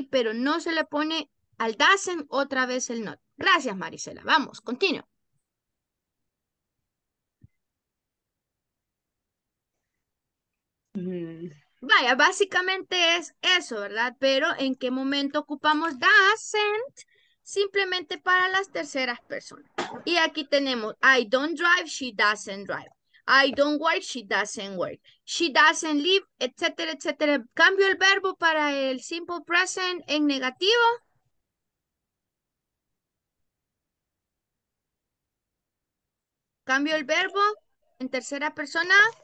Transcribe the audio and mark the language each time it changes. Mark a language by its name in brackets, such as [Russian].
[Spanish] Pero no se le pone al doesn't otra vez el not. Gracias, Marisela. Vamos, continúo. Vaya, básicamente es eso, ¿verdad? Pero ¿en qué momento ocupamos doesn't simplemente para las terceras personas. Y aquí tenemos, [English] I don't drive, she doesn't drive. I don't work, she doesn't work. She doesn't live, etcétera, etcétera. [Spanish] Cambio el verbo para el simple present en negativo. Cambio el verbo en tercera persona.